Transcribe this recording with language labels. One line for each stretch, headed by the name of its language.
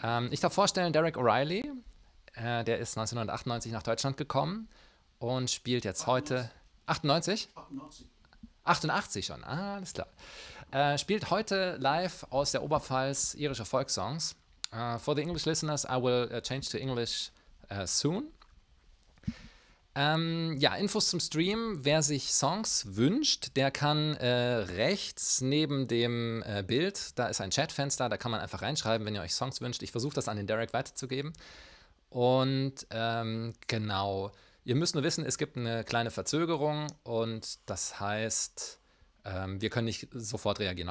German: Ich darf vorstellen, Derek O'Reilly, der ist 1998 nach Deutschland gekommen und spielt jetzt 98. heute... 98? 88. 88 schon, ah, alles klar. Spielt heute live aus der Oberpfalz irische Volkssongs.
English: For the English listeners, I will change to English soon.
German: Ja, Infos zum Stream. Wer sich Songs wünscht, der kann rechts neben dem Bild, da ist ein Chatfenster, da kann man einfach reinschreiben, wenn ihr euch Songs wünscht. Ich versuche das an den Derek weiterzugeben. Und genau, ihr müsst nur wissen, es gibt eine kleine Verzögerung und das heißt, wir können nicht sofort reagieren.